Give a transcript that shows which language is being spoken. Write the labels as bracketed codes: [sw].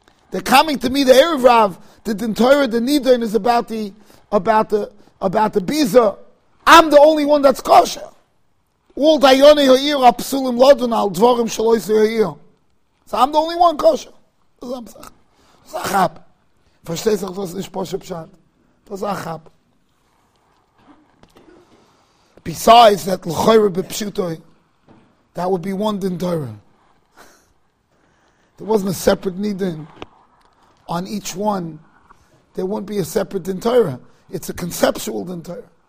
[en] They're coming to me, the Erev Rav, the Din Torah, the Nidin is about the Biza. I'm the only one that's kosher. [he] Ul dayone ha'ir ha'psulim lodun al dvorim shalois ha'ir. [en] So I'm the only one kosher. That's a chab. [yi] Versteh sich das nicht poshe pshat. [en] That's a chab. Besides that, [he] l'chayre b'pshutoi, [en] that would be one din Torah. There wasn't a separate nidin on each one. There wouldn't be a separate din Torah. It's a conceptual din Torah.